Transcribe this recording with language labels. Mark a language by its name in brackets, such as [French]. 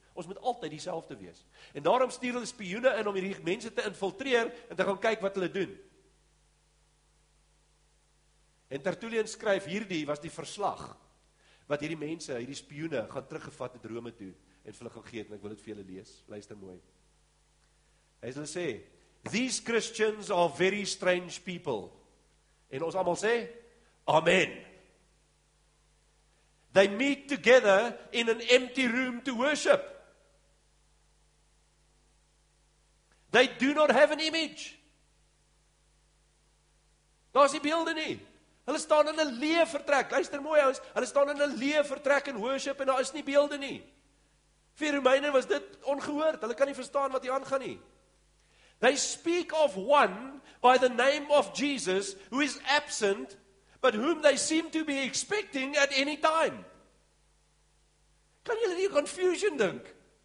[Afrikaans] Ons moet altyd dieselfde wees. En daarom stuur hulle spioene in om hierdie mense te infiltreer, en te gaan kyk wat hulle doen. En Tertullian skryf, hierdie was die verslag, wat hierdie mense, hierdie spioene, gaan teruggevat het Rome toe, en vir hulle gegeet, en ek wil dit vir julle lees. Luister mooi. As hulle sê, [English] these Christians are very strange people. [Afrikaans] En ons allemaal sê, amen. [English] They meet together in an empty room to worship. They do not have an image. [Afrikaans] Daar is die beelde nie. Hulle staan in 'n leë vertrek. Luister mooi, hulle staan in 'n leë vertrek in worship en daar is nie beelde nie. Vir die Romeine was dit ongehoord. Hulle kan nie verstaan wat hier aangaan nie. [English] They speak of one by the name of Jesus who is absent, but whom they seem to be expecting at any time. [Afrikaans] Kan jy hierdie confusion dink?